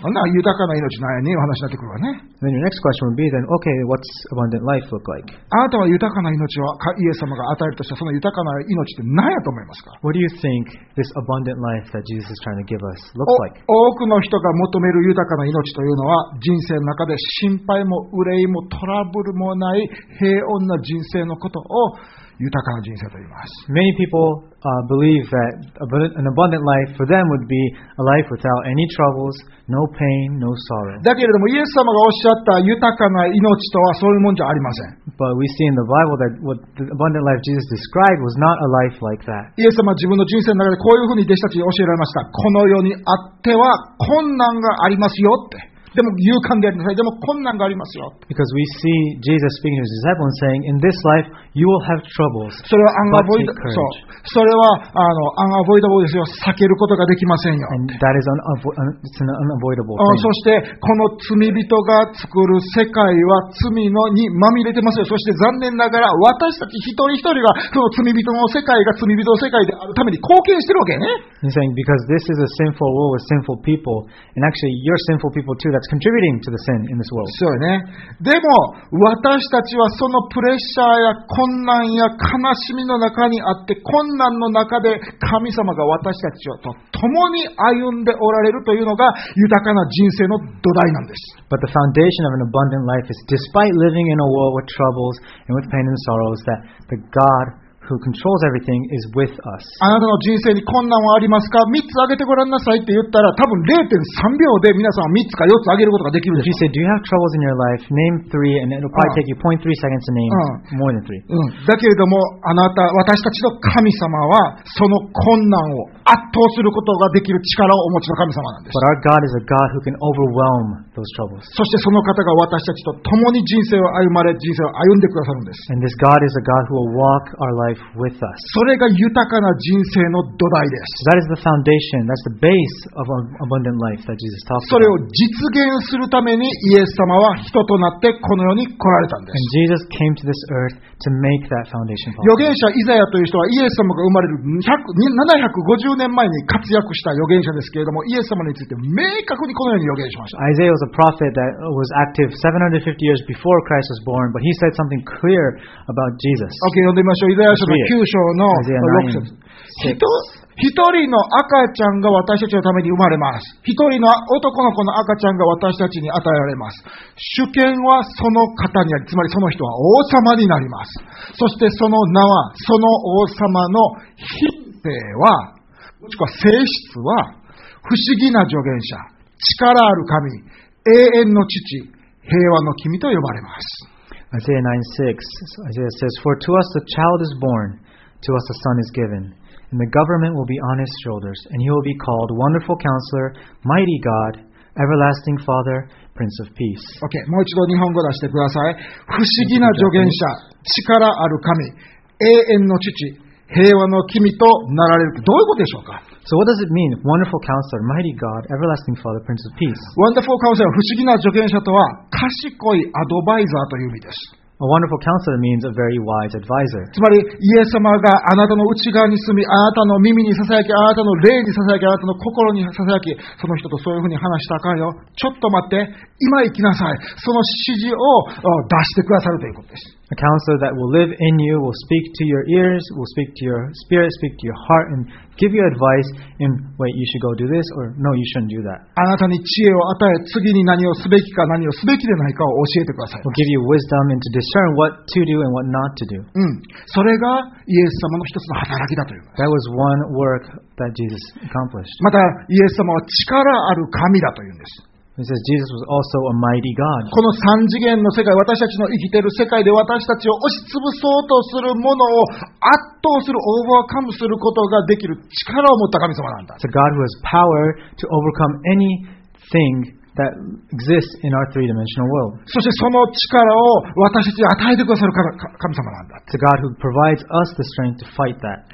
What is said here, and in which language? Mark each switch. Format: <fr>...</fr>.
<ja>そんな豊かな命なんやねお話になってくるわね。</ja> <en>Then your next question would be then, okay, what's abundant life look like?</en> <ja>あなたは豊かな命をイエス様が与えるとしたその豊かな命って何やと思いますか？</ja> <en>What do you think this abundant life that Jesus is trying to give us looks like?</en> <ja>多くの人が求める豊かな命というのは人生の中で心配も憂いもトラブルもない平穏な人生のことを豊かな人生と言います。</ja> <en>Many people believe that an abundant life for them would be a life without any troubles, no pain, no sorrow.</en> <ja>だけれどもイエス様がおっしゃった豊かな命とはそういうもんじゃありません。</ja> <en>But we see in the Bible that what the abundant life Jesus described was not a life like that.</en> <ja>イエス様は自分の人生の中でこういうふうに弟子たちに教えられました。この世にあっては困難がありますよって。でも勇敢でありなさい。でも困難がありますよ。</ja> <en>Because we see Jesus speaking to his disciples and saying, in this life, you will have troubles.</en> <ja>それはアンアボイダブル。そう。それはアンアボイダブルですよ。避けることができませんよ。</ja> <en>And that is an unavoidable thing.</en> <ja>そして、この罪人が作る世界は罪のにまみれてますよ。そして残念ながら、私たち一人一人が、その罪人の世界が罪人の世界であるために貢献してるわけね。</ja> <en>He's saying, because this is a sinful world with sinful people, and actually you're sinful people too, that's contributing to the sin in this world.</en> <ja>そうね。でも、私たちはそのプレッシャーや困難や悲しみの中にあって、困難の中で神様が私たちと共に歩んでおられるというのが豊かな人生の土台なんです。</ja> <en>But the foundation of an abundant life is despite living in a world with troubles and with pain and sorrows, that the God who controls everything is with us.</en> <ja>あなたの人生に困難はありますか ?3 つ挙げてごらんなさいって言ったら多分 0.3 秒で皆さんは3つか4つ挙げることができるでしょう。</ja> <en>If you say, do you have troubles in your life? Name 3 and it'll probably take you 0.3 seconds to name more than 3.</en> <ja>だけれどもあなた、私たちの神様はその困難を圧倒することができる力をお持ちの神様なんです。</ja> <en>But our God is a God who can overwhelm those troubles.</en> <ja>そしてその方が私たちと共に人生を歩まれ、人生を歩んでくださるんです。</ja> <en>And this God is a God who will walk our lifeWith us.</en> <ja>それが豊かな人生の土台です。</ja> <en>That is the foundation. That's the base of abundant life that Jesus talks about.</en> <ja>それを実現するためにイエス様は人となってこの世に来られたんです。</ja> <en>And Jesus came to this earth to make that foundation possible.</en> <ja>預言者イザヤという人はイエス様が生まれる750年前に活躍した預言者ですけれども、イエス様について明確にこのように預言しました。</ja> <en>Isaiah was a prophet that was active 750 years before Christ was born, but he said something clear about Jesus.</en> <ja>Okay, 読んでみましょう。イザヤ九章の六節。一人の赤ちゃんが私たちのために生まれます。一人の男の子の赤ちゃんが私たちに与えられます。主権はその方にあり、つまりその人は王様になります。そしてその名は、その王様の品性は、もしくは性質は、不思議な預言者、力ある神、永遠の父、平和の君と呼ばれます。</ja> <en>Isaiah 9:6, Isaiah says, For to us the child is born, to us a son is given, and the government will be on his shoulders, and he will be called Wonderful Counselor, Mighty God, Everlasting Father, Prince of Peace.</en> <ja>Okay, もう一度日本語出してください。不思議な助言者、力ある神、永遠の父、平和の君となられる。どういうことでしょうか?</ja> <en>So what does it mean? Wonderful Counselor, Mighty God, Everlasting Father, Prince of Peace.</en> <ja>Wonderful Counselor, 不思議な助言者とは、賢いアドバイザーという意味です。</ja> <en>A wonderful counselor means a very wise advisor.</en> <ja>つまり、イエス様があなたの内側に住み、あなたの耳にささやき、あなたの霊にささやき、あなたの心にささやき、その人とそういうふうに話したらあかんよ。ちょっと待って、今行きなさい。その指示を出してくださるということです。</ja> <en>A counselor that will live in you, will speak to your ears, will speak to your spirit, speak to your heart, and give you advice in, wait, you should go do this, or no, you shouldn't do that.</en> <ja>あなたに知恵を与え、次に何をすべきか何をすべきでないかを教えてください。</ja> <en>Will give you wisdom and to discern what to do and what not to do.</en> <ja>それがイエス様の一つの働きだという。</ja> <en>That was one work that Jesus accomplished.</en> <ja>また、イエス様は力ある神だというんです。</ja> <en>He says Jesus was also a mighty God.</en> <ja>この三次元の世界、私たちの生きている世界で私たちを押し潰そうとするものを圧倒する、オーバーカムすることができる力を持った神様なんだ。</ja> <en>It's a God who has power to overcome anything that exists in our three-dimensional world.</en> <ja>そしてその力を私たちに与えてくださる神様なんだ。</ja> <en>The God who provides us the strength to fight that.</en>